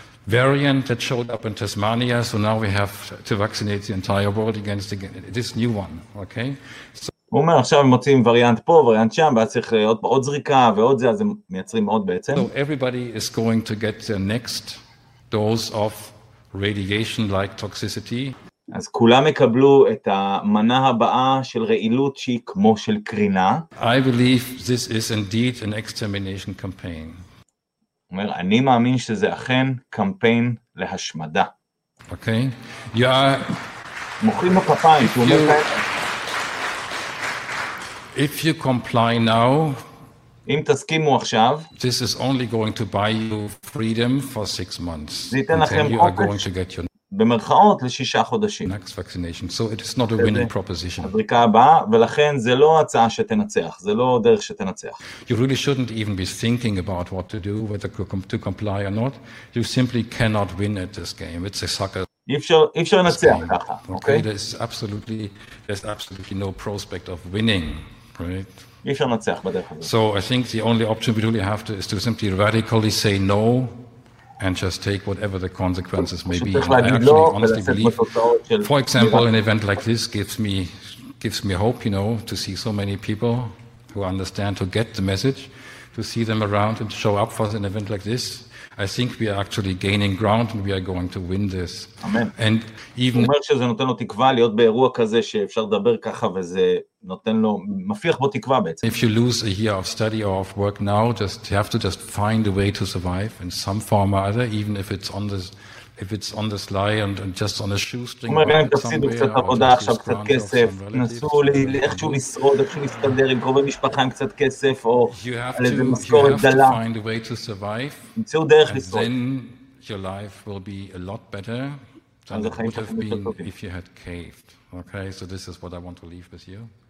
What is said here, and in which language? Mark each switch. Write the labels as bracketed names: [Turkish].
[English] variant that showed up in Tasmania, so now we have to vaccinate the entire world against this new one, okay? [Hebrew] So הוא אומר, עכשיו הם מוצאים וריאנט פה, וריאנט שם, ואז צריך עוד, עוד זריקה ועוד זה, אז הם מייצרים עוד בעצם. [English] So everybody is going to get the next dose of radiation-like toxicity. [Hebrew] אז כולם יקבלו את המנה הבאה של רעילות שהיא כמו של קרינה. [English] I believe this is indeed an extermination campaign. [Hebrew] הוא אומר, אני מאמין שזה אכן קמפיין להשמדה. [English] Okay. You [Hebrew] are מוחאים לו כפיים, הוא אומר כאן. [English] If you comply now, [Hebrew] אם תסכימו עכשיו, [English] this is only going to buy you freedom for 6 months. [Hebrew] זה ייתן לכם חופש במרכאות לשישה חודשים. [English] Next vaccination. So it is not a winning proposition. [Hebrew] הבריקה הבאה, ולכן זה לא הצעה שתנצח, זה לא דרך שתנצח. [English] You really shouldn't even be thinking about what to do, whether to comply or not. You simply cannot win at this game. It's a sucker. [Hebrew] אי אפשר לנצח ככה, אוקיי? [English] Okay? There's absolutely no prospect of winning, right? [Hebrew] אי אפשר לנצח בדרך הזאת. [English] So I think the only option we really have to is to simply radically say no and just take whatever the consequences may be. And I actually honestly believe, for example, an event like this gives me hope, you know, to see so many people who understand, who get the message, to see them around and show up for an event like this. I think we are actually gaining ground and we are going to win this. Amen. And even [Hebrew] אומר שזה נותן לו תקווה להיות באירוע כזה שאפשר לדבר ככה וזה נותן לו מפיח בו תקווה בעצם. [English] If you lose a year of study or of work now, just you have to just find a way to survive in some form or other, even if it's on this line and just on a shoestring. [Hebrew] אומר גם תפסידו קצת עבודה עכשיו, קצת כסף, נסו איכשהו לשרוד, איכשהו להסתדר עם קרובי משפחה עם קצת כסף, או על איזה משכורת דלה. [English] You have to find a way to survive. [Hebrew] נמצאו דרך לשרוד. [English] And then your life will be a lot better than it would have been if you had caved. Okay, so this is what I want to leave with you.